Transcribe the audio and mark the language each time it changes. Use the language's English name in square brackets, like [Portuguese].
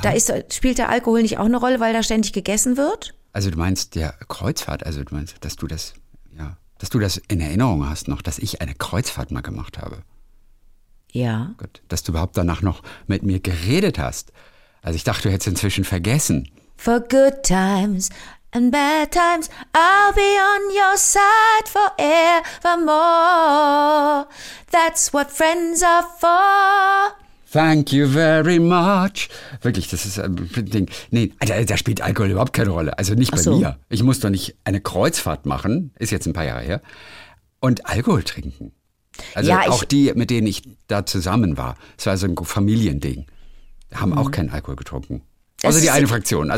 [German] Da spielt der Alkohol nicht auch eine Rolle, weil da ständig gegessen wird? Also du meinst der Kreuzfahrt, also du meinst, dass du das in Erinnerung hast noch, dass ich eine Kreuzfahrt mal gemacht habe. Ja. Gut, dass du überhaupt danach noch mit mir geredet hast. Also ich dachte, du hättest inzwischen vergessen. [English] For good times and bad times, I'll be on your side forevermore. That's what friends are for. Thank you very much. [German] Wirklich, das ist ein Ding. Nee, da spielt Alkohol überhaupt keine Rolle. Also nicht bei mir. Ich muss doch nicht eine Kreuzfahrt machen, ist jetzt ein paar Jahre her, und Alkohol trinken. Also ja, auch die, mit denen ich da zusammen war, es war so ein Familiending, haben auch keinen Alkohol getrunken. Also die eine Fraktion.